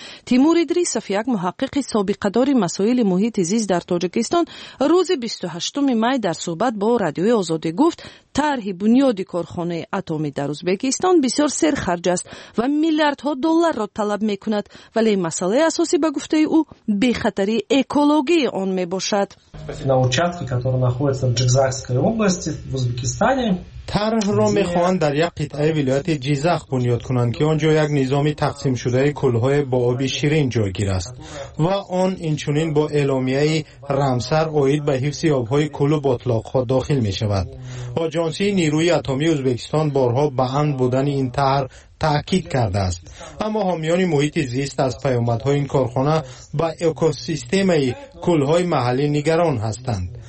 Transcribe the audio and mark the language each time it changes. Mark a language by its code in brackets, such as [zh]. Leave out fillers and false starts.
[fa] تیمور ادریسوف یک محقق سابقه‌دار مسائل محیط زیست در تاجیکستان روز 28 می در صحبت با رادیوی آزادی گفت طرح بنیادی کارخانه اتمی در ازبکستان بسیار سرخرج است و میلیاردها دلار را طلب میکند، ولی مسئله اساسی به گفته او بی خطری اکولوژی آن میباشد. [ru] на участке, который находится в Джигзагской области в Узбекистане. [fa] طرح را میخواهند در یک قطعه ولایت جیزخ بنیاد کنند که آنجا یک نظامی تقسیم شده کلهای با آب شیرین جایگیر است و آن اینچنین با اعلامیه رمسر اوید به حفظ آبهای کل و باتلاق‌ها داخل می شود. آژانس نیروی اتمی ازبکستان بارها به هم بودن این طرح تأکید کرده است، اما حامیان محیط زیست از پیامدهای این کارخانه با اکوسیستم کلهای محلی نگران هستند.